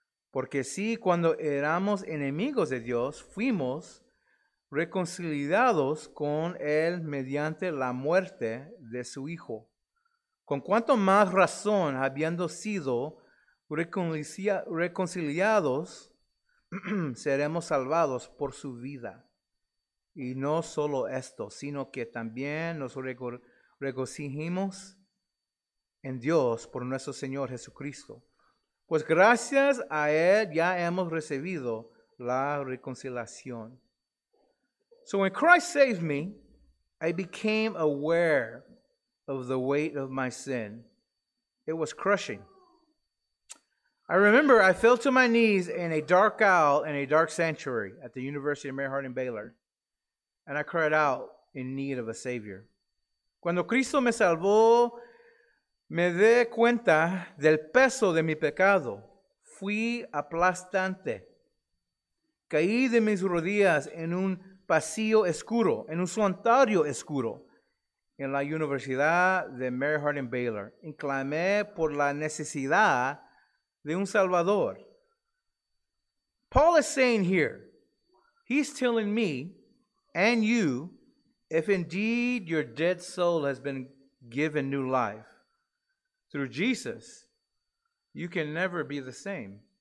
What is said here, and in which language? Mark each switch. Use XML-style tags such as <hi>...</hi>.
<es>Porque si cuando éramos enemigos de Dios fuimos reconciliados con él mediante la muerte de su hijo, con cuánto más razón, habiendo sido reconciliados, seremos salvados por su vida. Y no solo esto, sino que también nos regocijamos en Dios por nuestro Señor Jesucristo. Pues gracias a él ya hemos recibido la reconciliación.</es> <en>So when Christ saved me, I became aware of the weight of my sin. It was crushing. I remember I fell to my knees in a dark aisle in a dark sanctuary at the University of Mary Harding Baylor. And I cried out in need of a Savior.</en> <es>Cuando Cristo me salvó, me di cuenta del peso de mi pecado. Fui aplastante. Caí de mis rodillas en un pasillo oscuro, en un santuario oscuro, en la Universidad de Mary Harding Baylor. Y clamé por la necesidad de un Salvador.</es> <en>Paul is saying here, he's telling me, and you, if indeed your dead soul has been given new life through Jesus, you can never be the same.</en>